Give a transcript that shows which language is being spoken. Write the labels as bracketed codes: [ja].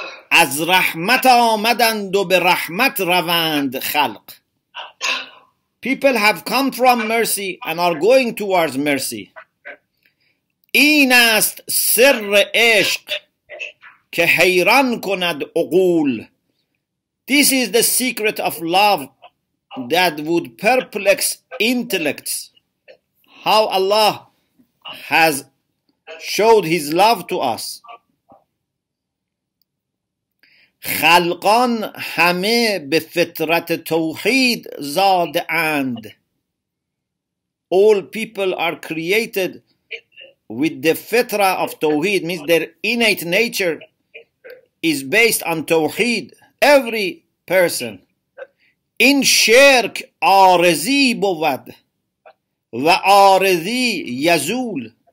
[fa] از رحمت آمدند و به رحمت روند خلق. [en] People have come from mercy and are going towards mercy. [fa] این است سر عشق که حیران کند عقول. [en] This is the secret of love that would perplex intellects. How Allah has showed his love to us. [fa] خلقان همه به فطرت توحید زاده اند. [en] All people are created with the fitra of توحید, means their innate nature is based on توحید. Every person in [fa] شرک آرزی بود و آرزی یزول.